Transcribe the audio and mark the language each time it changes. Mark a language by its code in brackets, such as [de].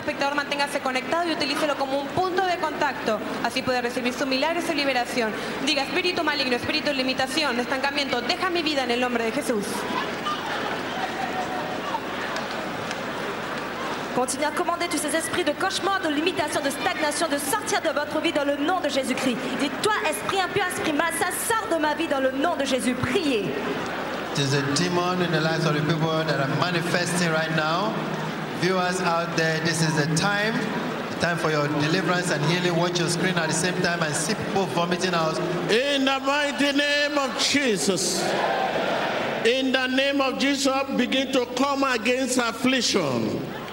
[es] Espectador, manténgase conectado y utilícelo como un punto de contacto. Así puede recibir su milagro y su liberación. Diga, espíritu maligno, espíritu de limitación, de estancamiento, deja mi vida en el nombre de Jesús. [fr] Continue à commander tous ces esprits de cauchemar, de limitation, de stagnation, de sortir de votre vie dans le nom de Jésus-Christ. Dites-toi, esprit impur, esprit malsain, sors de ma vie dans le nom de Jésus. Priez. [en] It is a demon in the lives of the people that are manifesting right now. Viewers out there, this is the time for your deliverance and healing. Watch your screen at the same time and see people vomiting out. In the mighty name of Jesus, in the name of Jesus, begin to come against affliction.